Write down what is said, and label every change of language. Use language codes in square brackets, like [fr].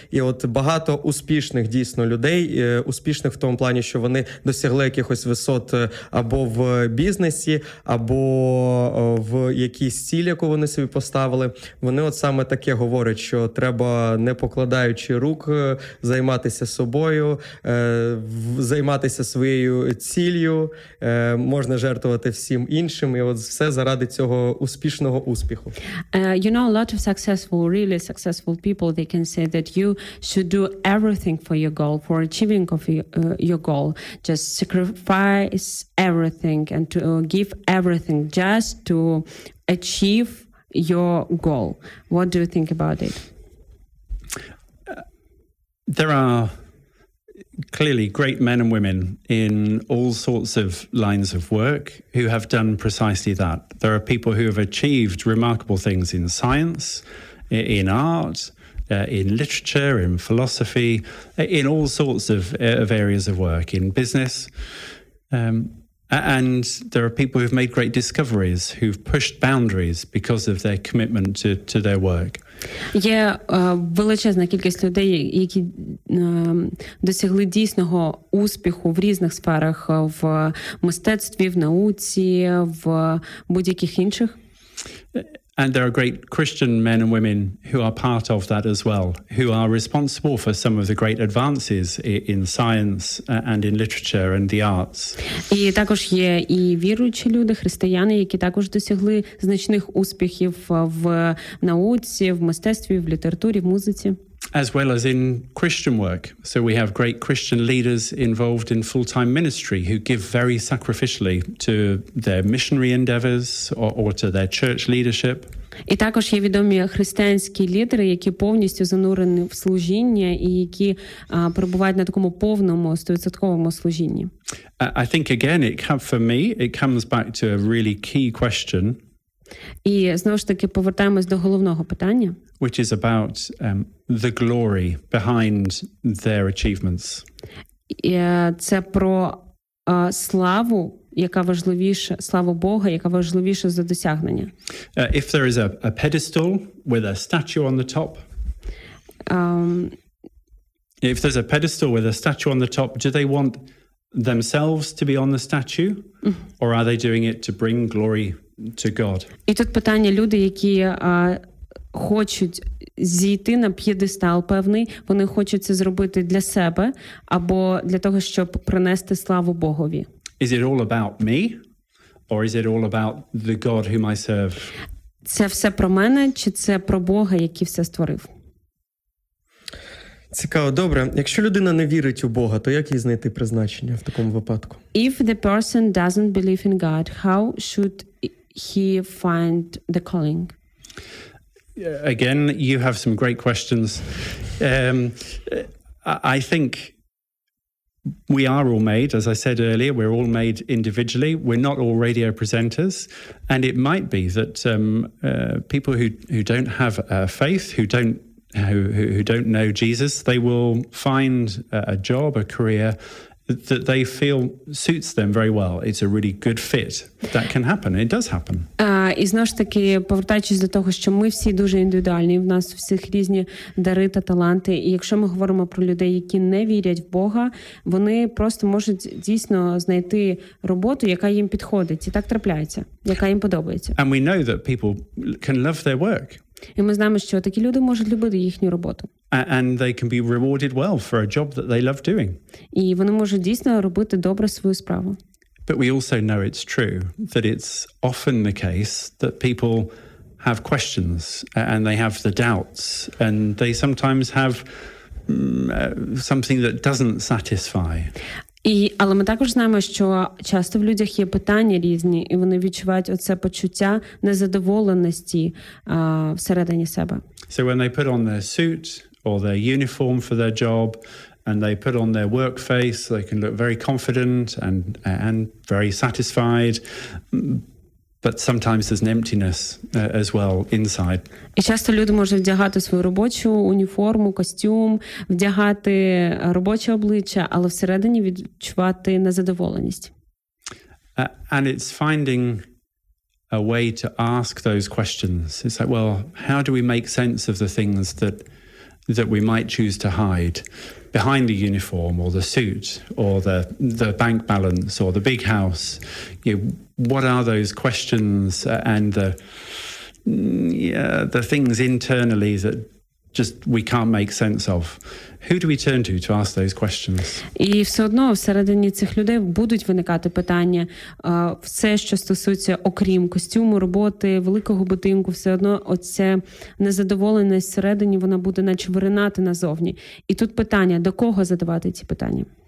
[uk] І от багато успішних дійсно людей, успішних в тому плані, що вони досягли якихось висот або в бізнесі, або в якійсь цілі, яку вони собі поставили. Вони от саме таке говорять, що треба, не покладаючи рук, займатися собою, займатися своєю ціллю, можна жертвувати всім іншим, і от все заради цього успішного успіху. [en] You know, a lot of successful, really successful people, they can say that you should do everything for your goal, for achieving of your goal, just sacrifice everything and to give everything just to achieve your goal. What do you think about it? There are clearly great men and women in all sorts of lines of work who have done precisely that. There are people who have achieved remarkable things in science, in art, in literature, in philosophy, in all sorts of areas of work, in business. And there are people who've made great discoveries, who've pushed boundaries because of their commitment to their work. [uk] Є величезна кількість людей, які досягли дійсного успіху в різних сферах, в мистецтві, в науці, в будь-яких інших. [en] And there are great Christian men and women who are part of that as well, who are responsible for some of the great advances in science and in literature and the arts. [uk] І також є і віруючі люди, християни, які також досягли значних успіхів в науці, в мистецтві, в літературі, в музиці. [en] As well as in Christian work. So we have great Christian leaders involved in full-time ministry who give very sacrificially to their missionary endeavors or to their church leadership. [uk] І також є відомі християнські лідери, які повністю занурені в служіння і які перебувають на такому повному, 100% служінні. [en] I think again, it comes back to a really key question. [uk] І знову ж таки повертаємось до головного питання, [en] which is about the glory behind their achievements. [uk] Це про славу, яка важливіша, славу Бога, яка важливіша за досягнення. [en] If there is a pedestal with a statue on the top, If there's a pedestal with a statue on the top, do they want themselves to be on the statue, or are they doing it to bring glory to God? [uk] І тут питання, люди, які хочуть зійти на п'єдестал певний, вони хочуть це зробити для себе або для того, щоб принести славу Богові. [en] Is it all about me, or is it all about the God whom I serve? [uk] Це все про мене чи це про Бога, який все створив? Цікаво, добре. Якщо людина не вірить у Бога, то як їй знайти призначення в такому випадку? [en] If the person doesn't believe in God, how should he find the calling? Again, you have some great questions. I think we are all made, as I said earlier, we're all made individually. We're not all radio presenters. And it might be that people who don't have faith, who don't know Jesus, they will find a job, a career that they feel suits them very well. It's a really good fit. That can happen. It does happen. [uk] І знову ж таки, повертаючись до того, що ми всі дуже індивідуальні, в нас всіх різні дари та таланти. І якщо ми говоримо про людей, які не вірять в Бога, вони просто можуть дійсно знайти роботу, яка їм підходить. І так трапляється, яка їм подобається. [en] And we know that people can love their work. [uk] І ми знаємо, що такі люди можуть любити їхню роботу. [en] And they can be rewarded well for a job that they love doing. [uk] І вони можуть дійсно робити добре свою справу. [en] But we also know it's true that it's often the case that people have questions and they have the doubts and they sometimes have something that doesn't satisfy. [uk] Але ми також знаємо, що часто в людях є питання різні, і вони відчувають оце почуття незадоволеності всередині себе. [en] So when they put on their suit or their uniform for their job, and they put on their work face, they can look very confident and very satisfied. But sometimes there's an emptiness as well inside. [uk] І часто люди можуть вдягати свою робочу уніформу, костюм, вдягати робоче обличчя, але всередині відчувати незадоволеність. [en] And it's finding a way to ask those questions. It's like, well, how do we make sense of the things that we might choose to hide behind the uniform or the suit or the bank balance or the big house? What are those questions and the things internally that just we can't make sense of? Who do we turn to ask those questions? [uk] І все одно всередині цих людей будуть виникати питання, все, що стосується окрім костюму, роботи, великого будинку, все одно оце незадоволеність всередині, вона буде наче виринати назовні. І тут питання, до кого задавати ці питання?